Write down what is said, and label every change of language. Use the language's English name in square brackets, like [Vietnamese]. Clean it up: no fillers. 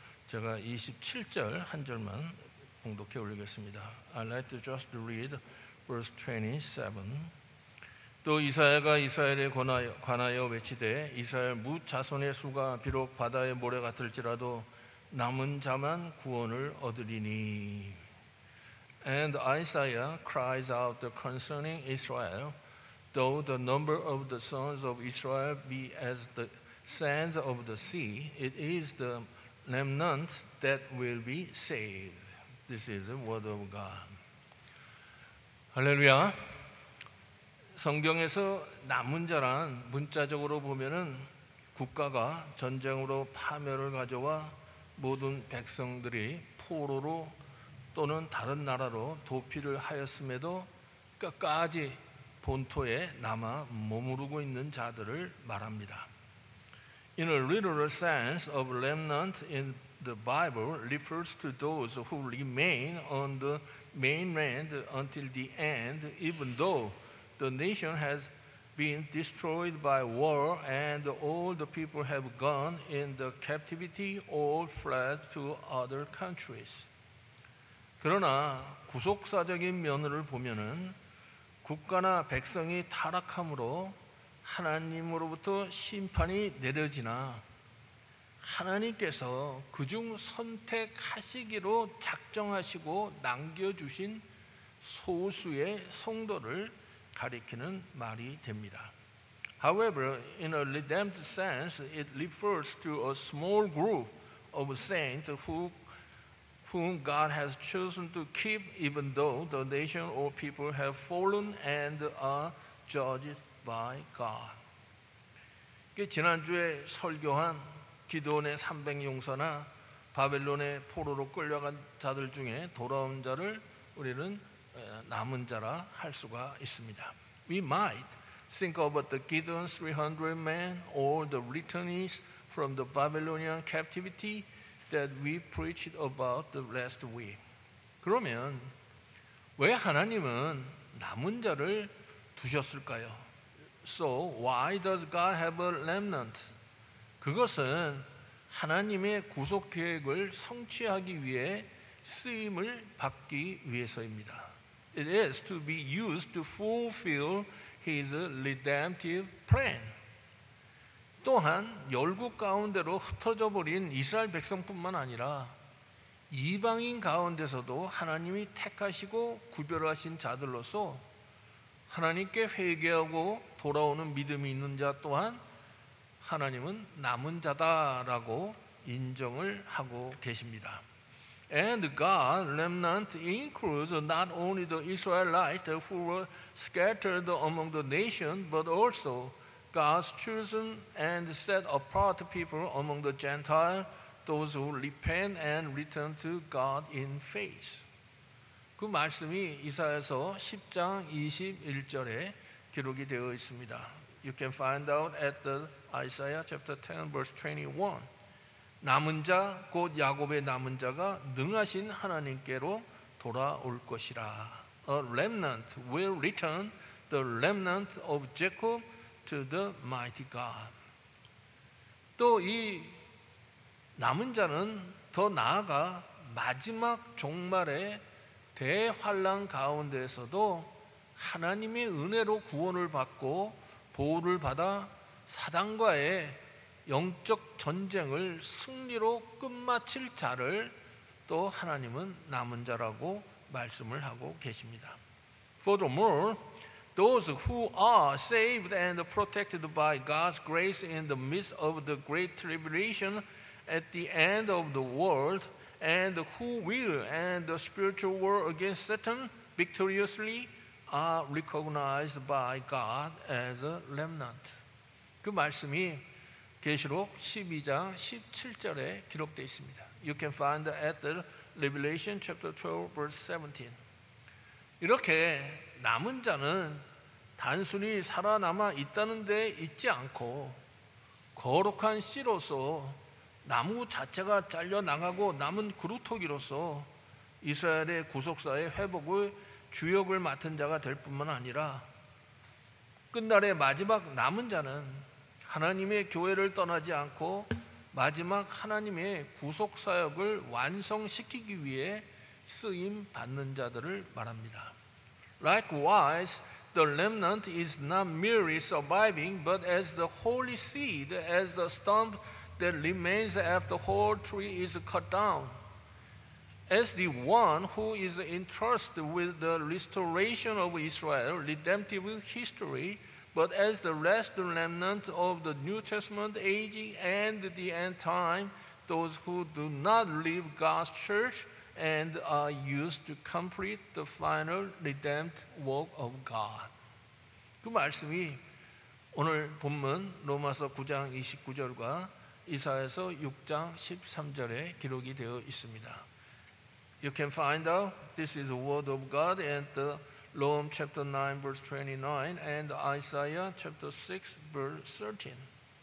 [Korean] 제가 27절 한 절만 봉독해 올리겠습니다. [English] I'd like to just read verse 27. [Korean] 또 이사야가 이스라엘에 관하여 외치되 이스라엘 뭇 자손의 수가 비록 바다의 모래 같을지라도 남은 자만 구원을 얻으리니. [English] And Isaiah cries out concerning Israel, though the number of the sons of Israel be as the sands of the sea, it is the remnant that will be saved. This is the word of God. Hallelujah. [Korean] 성경에서 남은 자란 문자적으로 보면은 국가가 전쟁으로 파멸을 가져와 모든 백성들이 포로로 또는 다른 나라로 도피를 하였음에도 끝까지 본토에 남아 머무르고 있는 자들을 말합니다. [English] In a literal sense of remnant in the Bible refers to those who remain on the mainland until the end, even though the nation has been destroyed by war and all the people have gone in the captivity or fled to other countries. [Korean] 그러나 구속사적인 면을 보면은 국가나 백성이 타락함으로 하나님으로부터 심판이 내려지나 하나님께서 그중 선택하시기로 작정하시고 남겨주신 소수의 성도를 가리키는 말이 됩니다. [English] However, in a redemptive sense, it refers to a small group of saints whom God has chosen to keep even though the nation or people have fallen and are judged by God. [Korean] 지난주에 설교한 기드온의 300용사나 바벨론의 포로로 끌려간 자들 중에 돌아온 자를 우리는 남은 자라 할 수가 있습니다. [English] We might think about the Gideon 300 men or the returnees from the Babylonian captivity that we preached about the last week. [Korean] 그러면 왜 하나님은 남은 자를 두셨을까요? [English] So why does God have a remnant? [Korean] 그것은 하나님의 구속 계획을 성취하기 위해 쓰임을 받기 위해서입니다. [English] It is to be used to fulfill his redemptive plan. [Korean] 또한 열국 가운데로 흩어져 버린 이스라엘 백성뿐만 아니라 이방인 가운데서도 하나님이 택하시고 구별하신 자들로서 하나님께 회개하고 돌아오는 믿음이 있는 자 또한 하나님은 남은 자다라고 인정을 하고 계십니다. [English] And God remnant includes not only the Israelites who were scattered among the nation but also God's chosen and set apart people among the Gentiles, those who repent and return to God in faith. [Korean] 그 말씀이 이사야서 10장 21절에 기록이 되어 있습니다. [English] You can find out at the Isaiah chapter 10 verse 21. [Korean] 남은 자, 곧 야곱의 남은 자가 능하신 하나님께로 돌아올 것이라. [English] A remnant will return, the remnant of Jacob, to the mighty God. [Korean] 또 이 남은 자는 더 나아가 마지막 종말의 대환란 가운데서도 하나님의 은혜로 구원을 받고 보호를 받아 사단과의 영적 전쟁을 승리로 끝마칠 자를 또 하나님은 남은 자라고 말씀을 하고 계십니다. [English] Furthermore, those who are saved and protected by God's grace in the midst of the great tribulation at the end of the world and who will end the spiritual war against Satan victoriously are recognized by God as a remnant. [Korean] 그 말씀이 계시록 12장 17절에 기록되어 있습니다. [English] You can find it at the Revelation chapter 12 verse 17. [Korean] 이렇게 남은 자는 단순히 살아남아 있다는 데 있지 않고 거룩한 씨로서 나무 자체가 잘려나가고 남은 그루터기로서 이스라엘의 구속사의 회복을 주역을 맡은 자가 될 뿐만 아니라 끝날의 마지막 남은 자는 하나님의 교회를 떠나지 않고 마지막 하나님의 구속사역을 완성시키기 위해 쓰임 받는 자들을 말합니다. [English] Likewise, the remnant is not merely surviving, but as the holy seed, as the stump that remains after the whole tree is cut down, as the one who is entrusted with the restoration of Israel, redemptive history, but as the last remnant of the New Testament age and the end time, those who do not leave God's church and are used to complete the final redemptive work of God. [Korean] 그 말씀이 오늘 본문 로마서 9장 29절과 이사야서 6장 13절에 기록이 되어 있습니다. [English] You can find out this is the word of God and the Romans chapter 9 verse 29 and Isaiah chapter 6 verse 13.